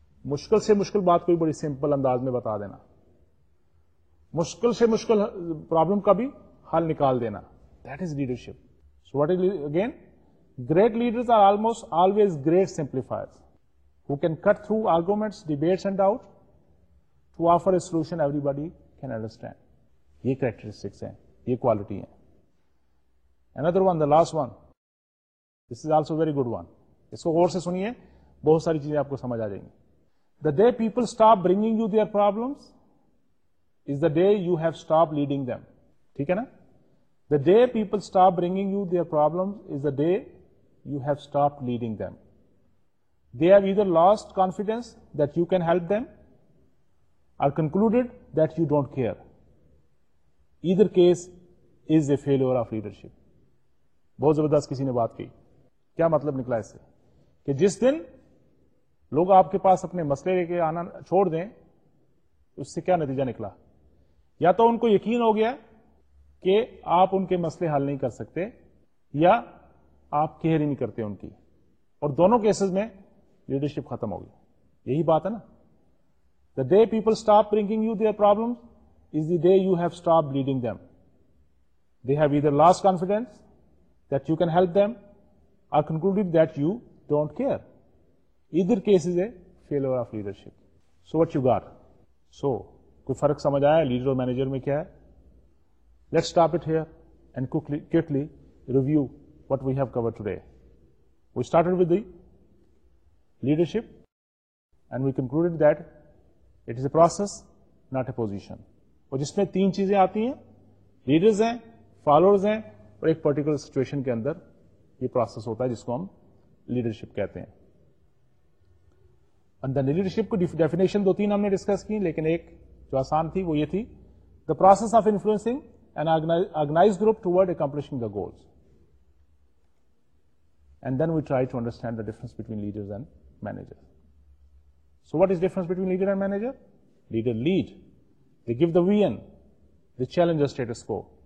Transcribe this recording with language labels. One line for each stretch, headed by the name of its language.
Urdu: مشکل سے مشکل بات کو بھی بڑی سمپل انداز میں بتا دینا, مشکل سے مشکل پرابلم کا بھی حل نکال دینا,
English: That is leadership. So what is again, great leaders are almost always great simplifiers who can cut through arguments debates and doubt to offer a solution everybody can understand.
Urdu: یہ کریکٹرسٹکس ہیں, یہ quality ہیں.
English: Another one, the last one, this is also a very good one.
Urdu: اس کو غور سے سنیے, بہت ساری چیزیں آپ کو سمجھ آ جائیں گی.
English: The day people stop bringing you their problems is the day you have stopped leading them.
Urdu: ٹھیک ہے نا.
English: The day people stop bringing you their problems is the day you have stopped leading them. They have either lost confidence that you can help them or concluded that you don't care. Either case is a failure of leadership.
Urdu: بہت زبردست کسی نے بات کی. کیا مطلب نکلا اس سے؟ کہ جس دن لوگ آپ کے پاس اپنے مسئلے لے کے آنا چھوڑ دیں, اس سے کیا نتیجہ نکلا؟ یا تو ان کو یقین ہو گیا کہ آپ ان کے مسئلے حل نہیں کر سکتے, یا آپ کیئر ہی نہیں کرتے ان کی, اور دونوں کیسز میں لیڈرشپ ختم ہوگی. یہی بات ہے نا.
English: The day people stop bringing you their problems is the day you have stopped leading them. They have either lost confidence that you can help them or concluded that you don't care. Either case is a failure of leadership. So what you got? So,
Urdu: koi farak samajh aaya leader aur manager mein kya hai?
English: Let's stop it here and quickly review what we have covered today. We started with the leadership and we concluded that it is a process, not a position.
Urdu: Aur jisme teen cheeze aati hain, leaders hain, followers hain, اور ایک particular situation کے اندر یہ process ہوتا ہے جس کو ہم leadership کہتے ہیں. اندر لیڈرشپ کو ڈیفینیشن دو تین ہم نے ڈسکس کی, لیکن ایک جو آسان تھی وہ یہ تھی,
English: The process of influencing an organize group toward accomplishing the goals. And then we try to understand the difference between leaders and manager. So what is difference between leader and manager? Leader lead, they give the vision, they challenge the status quo.